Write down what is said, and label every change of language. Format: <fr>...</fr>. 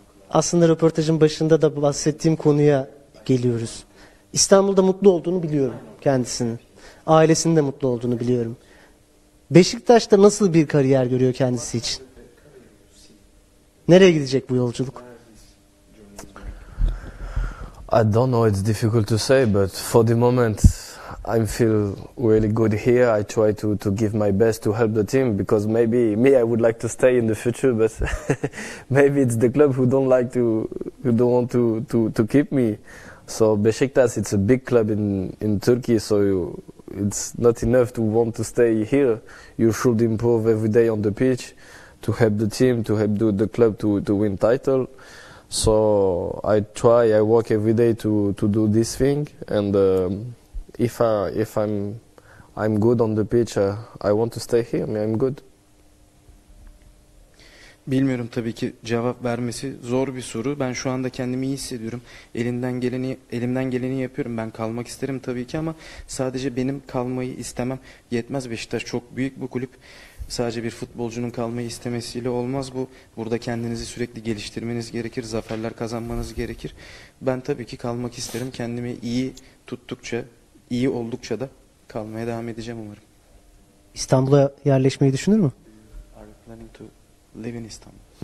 <tr>Aslında röportajın başında da bahsettiğim konuya geliyoruz. İstanbul'da mutlu olduğunu biliyorum kendisinin. Ailesinin de mutlu olduğunu biliyorum. Beşiktaş'ta nasıl bir kariyer görüyor kendisi için? Nereye gidecek bu yolculuk?</tr> <en>I don't know, it's difficult to say, but for the moment I feel really good here. I try to give my best to help the team, because maybe me, I would like to stay in the future, but maybe it's the club who don't want to keep me. So Beşiktaş, it's a big club in Turkey, so it's not enough to want to stay here. You should improve every day on the pitch to help the team, to help the club to win title. So I try, I work every day to do this thing, and if I'm good on the pitch, I want to stay here. I'm good.</en> <tr>Bilmiyorum tabii ki, cevap vermesi zor bir soru. Ben şu anda kendimi iyi hissediyorum. Elimden geleni yapıyorum. Ben kalmak isterim tabii ki ama sadece benim kalmayı istemem yetmez. Beşiktaş çok büyük bu kulüp. Sadece bir futbolcunun kalmayı istemesiyle olmaz bu. Burada kendinizi sürekli geliştirmeniz gerekir, zaferler kazanmanız gerekir. Ben tabii ki kalmak isterim. Kendimi iyi tuttukça, iyi oldukça da kalmaya devam edeceğim umarım. İstanbul'a yerleşmeyi düşünür mü?</tr> <en>Are you planning to live in Istanbul?</en>